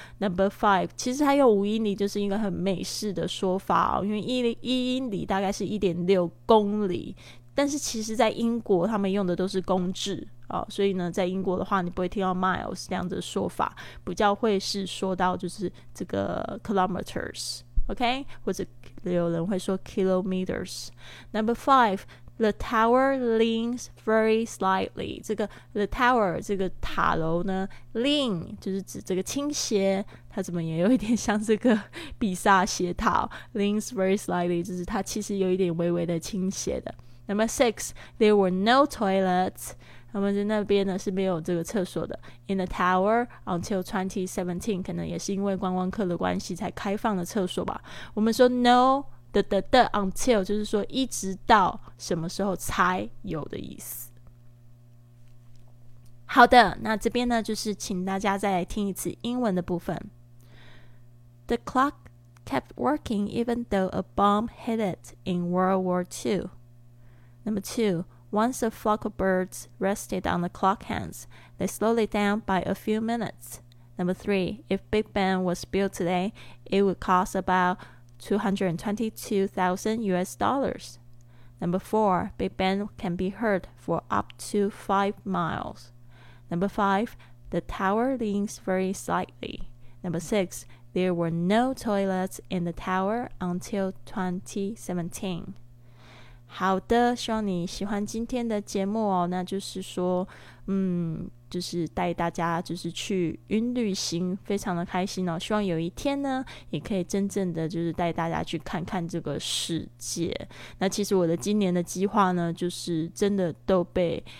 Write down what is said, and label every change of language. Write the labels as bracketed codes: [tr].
[en] Number 5, [zh] 其实它用五英里就是一个很美式的说法哦，因为一英里大概是 1.6 公里，但是其实在英国他们用的都是公制哦，所以呢在英国的话你不会听到 miles 这样子的说法，比较会是说到就是这个 kilometers OK, 或者有人会说 kilometers。 [en] Number 5,The tower leans very slightly. [zh] 这个 [en] the tower [zh] 这个塔楼呢 lean 就是指这个倾斜，它怎么也有一点像这个比萨斜塔 [en] leans very slightly, [zh] 就是它其实有一点微微的倾斜的。 [en] Number 6, there were no toilets. [zh] 他们在那边呢是没有这个厕所的 [en] in the tower until 2017, [zh] 可能也是因为观光客的关系才开放了厕所吧。我们说 no,The until 就是说一直到什么时候才有的意思。好的，那这边呢就是请大家再来听一次英文的部分。 [en] The clock kept working even though a bomb hit it in World War II. Number 2, once a flock of birds rested on the clock hands, they slowly down by a few minutes. Number 3, if Big Ben was built today, it would cost aboutUS$222,000. Number 4, Big Ben can be heard for up to 5 miles. Number 5, the tower leans very slightly. Number 6, there were no toilets in the tower until 2017. [zh] 好的，希望你喜欢今天的节目哦，那就是说就是带大家就是去云旅行，非常的开心哦，希望有一天呢也可以真正的就是带大家去看看这个世界。那其实我的今年的计划呢就是真的都被